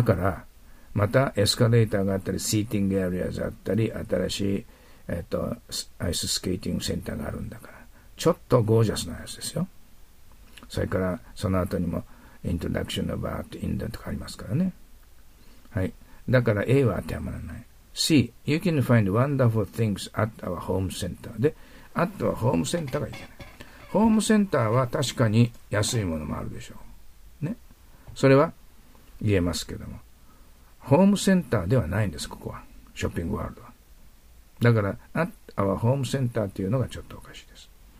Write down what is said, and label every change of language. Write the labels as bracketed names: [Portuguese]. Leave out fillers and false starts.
[Japanese] だからまたエスカレーターがあったり、シーティングエリアがあったり、新しい、アイススケーティングセンターがあるんだから、ちょっとゴージャスなやつですよ。それからその後にも、イントロダクションのバーとインドとかありますからね。はい。だから A は当てはまらない。 [English] C、You can find wonderful things at our home center. [Japanese] で、あとはホームセンターがいけない。ホームセンターは確かに安いものもあるでしょう。ね。それは言えますけども。ホームセンターではないんです、ここは。ショッピングワールドは。だから [English] at our home center [Japanese] というのがちょっとおかしいです。